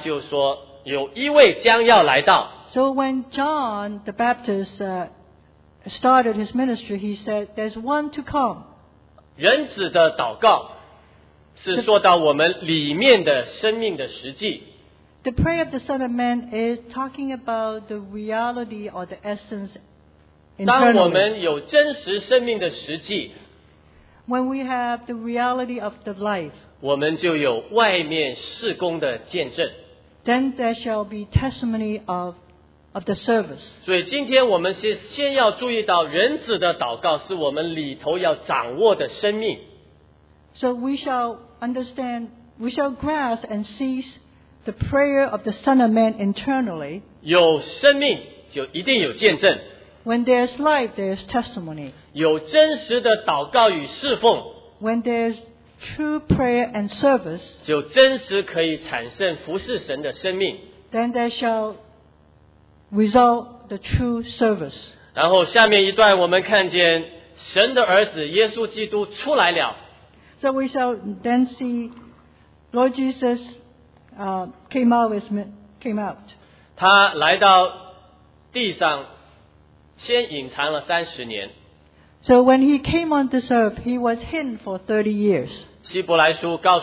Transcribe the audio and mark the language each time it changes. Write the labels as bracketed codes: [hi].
[zh] 所以当施洗约翰来了的时候，他就说有一位将要来到。 [en] So when John the Baptist started his ministry, he said, "There's one to come." [zh] 人子的祷告是说到我们里面的生命的实际。 [en] The prayer of the Son of Man is talking about the reality or the essence. [zh] 当我们有真实生命的实际, [en] when we have the reality of the life, [zh] 我们就有外面事工的见证, [en] then there shall be testimony of of the service. [zh] 所以今天我们先要注意到人子的祷告是我们里头要掌握的生命。 [en] So we shall understand, we shall grasp and seize the prayer of the Son of Man internally. [zh] 有生命就一定有见证。 [en] When there's life, there's testimony. [zh] 有真实的祷告与侍奉。 [en] When there's true prayer and service, [zh] 就真实可以产生服侍神的生命。 [en] Then there shall result the true service. [zh] 然后下面一段我们看见神的儿子耶稣基督出来了。 [en] So we shall then see Lord Jesus came out. [zh] 他来到地上。先隐藏了30年。 [en] So when he came on this earth, he was hidden for 30 years.